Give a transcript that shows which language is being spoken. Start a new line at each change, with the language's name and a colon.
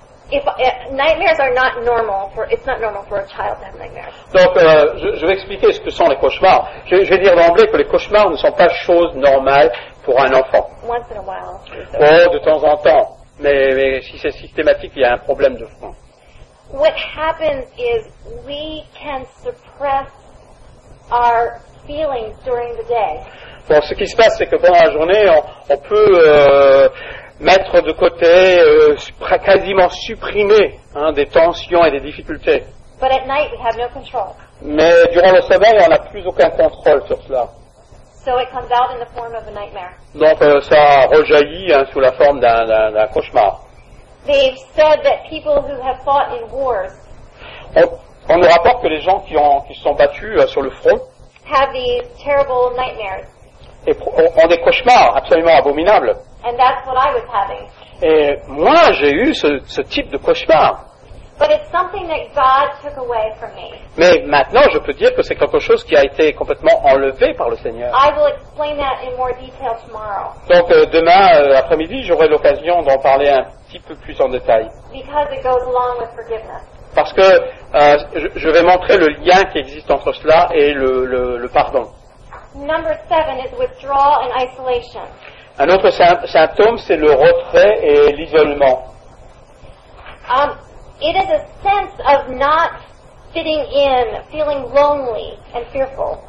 English: It's not normal for a child to have nightmares.
French: Donc, je vais expliquer ce que sont les cauchemars. Je vais dire d'emblée que les cauchemars ne sont pas choses normales pour un enfant.
English: Once in a while. Oh,
French: de temps en temps. Mais si c'est systématique, il y a un problème de fond.
English: What happens is we can suppress our feelings during the day.
French: Bon, ce qui se passe, c'est que pendant la journée, on peut mettre de côté quasiment supprimer hein, des tensions et des difficultés.
English: But at night we have no control.
French: Mais durant le sommeil, on n'a plus aucun contrôle sur cela.
English: So it comes out in the form of a nightmare.
French: Donc ça rejaillit hein, sous la forme d'un cauchemar.
English: They've said that people who have fought in wars
French: on nous rapporte que les gens qui se sont battus sur le front
English: have these terrible nightmares.
French: Et ont des cauchemars absolument abominables.
English: And that's what I was having.
French: Et moi, j'ai eu ce type de cauchemar.
English: But it's something that God took away from me.
French: Mais maintenant, je peux dire que c'est quelque chose qui a été complètement enlevé par le Seigneur.
English: I will explain that in more detail tomorrow.
French: Donc demain après-midi, j'aurai l'occasion d'en parler un petit peu plus en détail.
English: Because it goes along with forgiveness.
French: Parce que je vais montrer le lien qui existe entre cela et le pardon.
English: Number 7 is withdrawal and isolation.
French: Un autre symptôme, c'est le retrait et l'isolement.
English: It is a sense of not fitting in, feeling lonely and fearful.